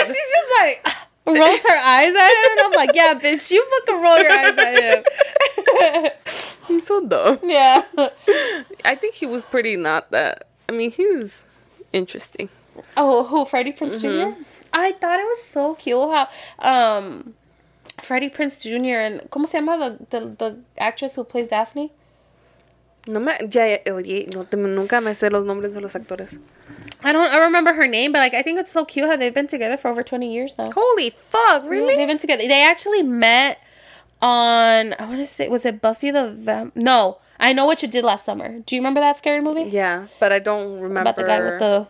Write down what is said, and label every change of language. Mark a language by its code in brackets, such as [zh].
[en] And she's just like, rolls her eyes at him. And I'm like, yeah, bitch, you fucking roll your eyes at him. He's so dumb. Yeah. I think he was pretty not that. I mean, he was interesting. Oh, who? Freddie Prinze mm-hmm. Jr.? I thought it was so cute how Freddie Prinze Jr. and... [es] ¿Cómo se llama [en] the actress who plays Daphne? [es] No me... Ya, oye, no te, nunca me sé los nombres de los actores. [en] I remember her name, but like I think it's so cute how they've been together for over 20 years now. Holy fuck, really? They've been together. They actually met... on, I want to say, was it Buffy the no, I Know What You Did Last Summer. Do you remember that scary movie? Yeah, but I don't remember. About the guy with the